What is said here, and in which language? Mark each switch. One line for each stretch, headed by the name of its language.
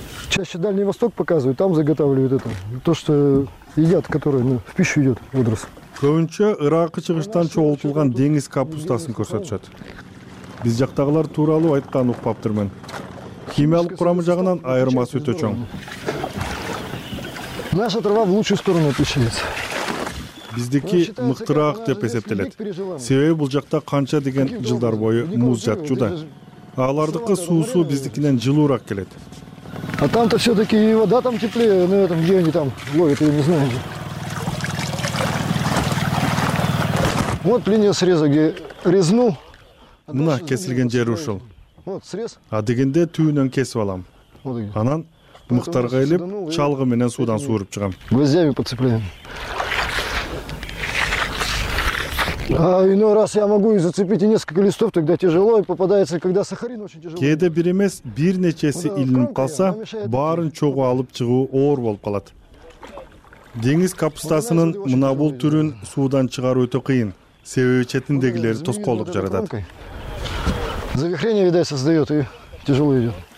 Russian: Чаще Дальний Восток показывают, там заготавливают это. То, что едят, которое в пищу идет, водоросль.
Kyrgyz: Көбүнчө Иракы чыгыштан чогултулган деңиз капустасын көрсөтүшөт. Биз жактагылар тууралуу айткан укпаптырмын. Химиялык курамы жагынан айырмасы өтө чоң.
Russian: Наша трава в лучшую сторону пишется.
Kyrgyz: Биздики мыктыраак деп эсептелет. Себеби бул жакта канча деген жылдар бою муз жатчуда. Алардыкы суусу биздикинен жылуураак келет.
Russian: А там-то все-таки и вода там теплее, но это где они там ловят, я не знаю. Вот линия среза, где резну.
Kyrgyz: Мына кесилген жери ушул.
Russian: Вот срез.
Kyrgyz: А дегенде түйүнөн кесип алам. Анан мыктарга илип, чалгы менен суудан сууруп чыгам.
Russian: Гвоздями подцепляем. А иной раз я могу и зацепить и несколько листов, тогда тяжело и попадается, когда сахарин очень тяжело.
Kyrgyz: Кээде бир эмес, бир нечеси илинип калса, баарын чогуу алып чыгуу оор болуп калат. Деңиз капустасынын мына бул түрүн суудан чыгаруу өтө кыйын. Себеби четиндегилер тоскоолдук жаратат.
Russian: Завихрение, видать, создаёт и тяжело идёт.